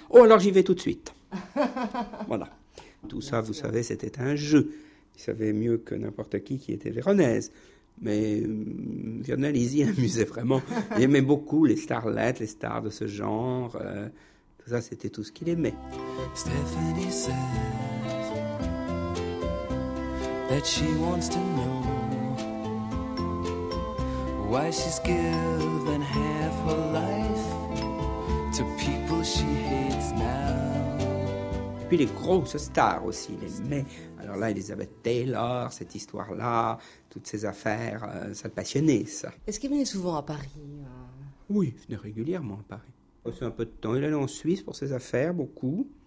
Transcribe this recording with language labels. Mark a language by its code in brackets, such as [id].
[fr] Oh, alors j'y vais tout de suite. Voilà. Tout bien ça, sûr. Vous savez, c'était un jeu. Il savait mieux que n'importe qui était Véronèse. Mais Virnalisi amusait vraiment. Il aimait beaucoup les starlettes, les stars de ce genre. Tout ça, c'était tout ce qu'il aimait. [en] Stephanie said that she wants to know why she's given half her life to people she hates now. [fr] Et puis les grosses stars aussi, les mecs. Alors là, Elizabeth Taylor, cette histoire-là, toutes ces affaires, ça le passionnait, ça. Est-ce qu'il venait souvent à Paris? Oui, il venait régulièrement à Paris. Passait un peu de temps. Il allait en Suisse pour ses affaires, beaucoup.